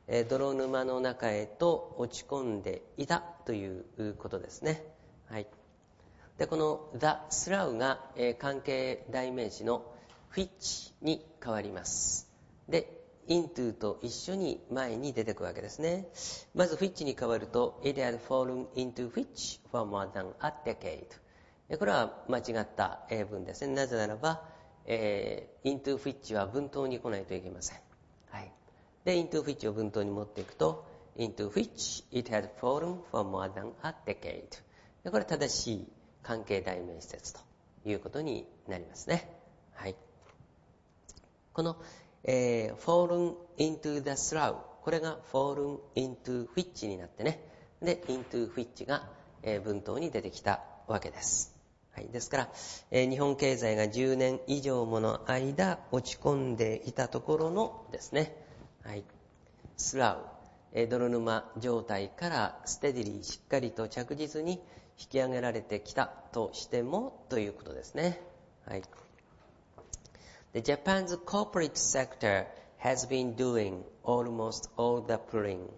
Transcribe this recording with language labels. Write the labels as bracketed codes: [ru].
[ja] 泥沼の中へと落ち込んでいたということですね。はい。でこの the slough が、関係代名詞の which に変わります。で into と一緒に前に出てくるわけですね。まず which に変わると [en] it had fallen into which for more than a decade。 [ja] でこれは間違った英文ですね。なぜならば、into which は文頭に来ないといけません。はい。で into which を文頭に持っていくと [en] into which it had fallen for more than a decade。 [ja] でこれは正しい関係代名詞ですということになりますね。はい。この、fallen into the slough、 これが fallen into which になってね、で into which が、文頭に出てきたわけです。はい。ですから、日本経済が10年以上もの間落ち込んでいたところのですね、はい、スラウ、泥沼状態からステディリーしっかりと着実に引き上げられてきたとしてもということですね。はい。 [en] The Japan's corporate sector has been doing almost all the pulling。